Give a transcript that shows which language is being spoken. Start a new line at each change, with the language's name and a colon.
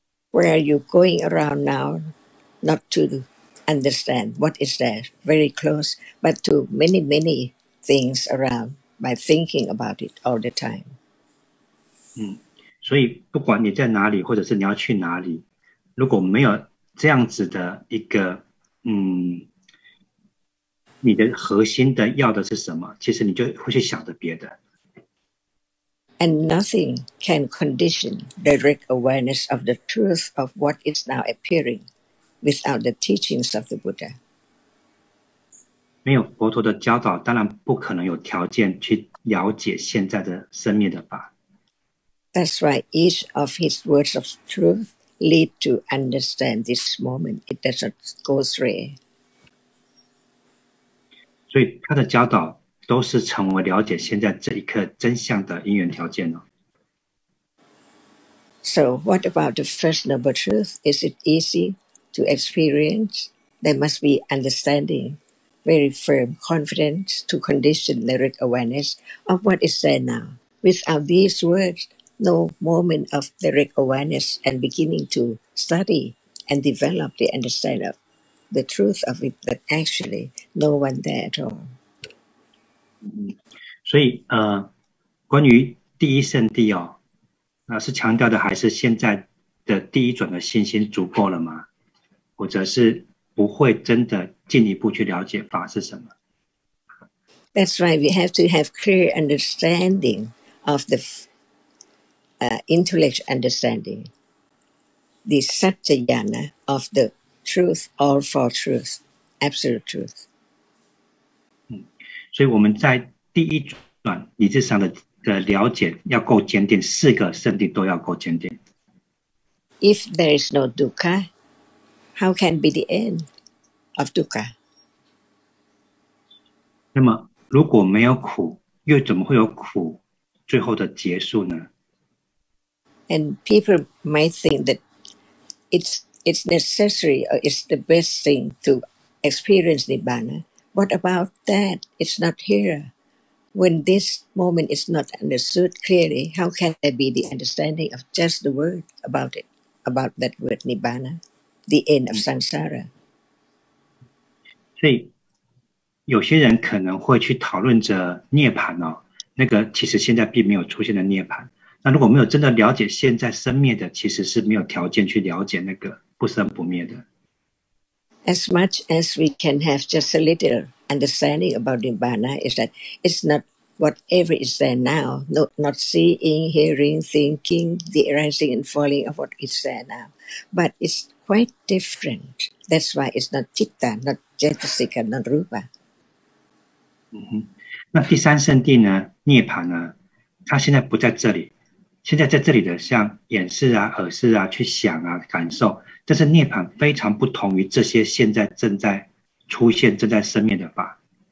English: Where are you going around now? Not to understand what is there very close, but to many, many things around by thinking about it all the time.
Chinese: 嗯，所以不管你在哪里，或者是你要去哪里，如果没有这样子的一个你的核心的要的是什么，其实你就会去想着别的。
English: And nothing can condition direct awareness of the truth of what is now appearing without the teachings of the Buddha.
Chinese: 没有佛陀的教导，当然不可能有条件去了解现在的生灭的法。
English: That's why each of his words of truth lead to understand this moment. It doesn't go astray.
Chinese: 所以他的教导都是成为了解现在这一刻真相的因缘条件了。
English: So what about the first noble truth? Is it easy to experience? There must be understanding, very firm confidence to condition direct awareness of what is there now. Without these words, no moment of direct awareness and beginning to study and develop the understanding of the truth of it, but actually no one there at all.
Chinese: 所以关于第一圣地哦，是强调的还是现在的第一转的信心足够了吗？或者是不会真的进一步去了解法是什么？
English: That's right, we have to have clear understanding of the intellect understanding, the satyayana of the truth, all for truth, absolute truth.
Chinese: 所以我们在第一段理智上 的了解要够坚定，四个圣地都要够坚定。
English: If there is no dukkha, how can be the end of dukkha?
Chinese: 那么如果没有苦，又怎么会有苦最后的结束呢？
English: And people might think that it's necessary or it's the best thing to experience nibbana. What about that? It's not here. When this moment is not understood clearly, how can there be the understanding of just the word about it, about that word Nibbana, the end of samsara?
Chinese: 所以有些人可能会去讨论着涅槃哦，那个其实现在并没有出现的涅槃。那如果没有真的了解现在生灭的，其实是没有条件去了解那个不生不灭的。
English: As much as we can have just a little understanding about Nibbana is that it's not whatever is there now, not seeing, hearing, thinking, the arising and falling of what is there now. But it's quite different. That's why it's not citta, not jetasika, not rupa.
Chinese: 那第三圣地呢，涅槃呢，它现在不在这里。现在在这里的像眼识啊、耳识啊、去想啊、感受，但是涅槃非常不同于这些现在正在出现、正在生灭的法。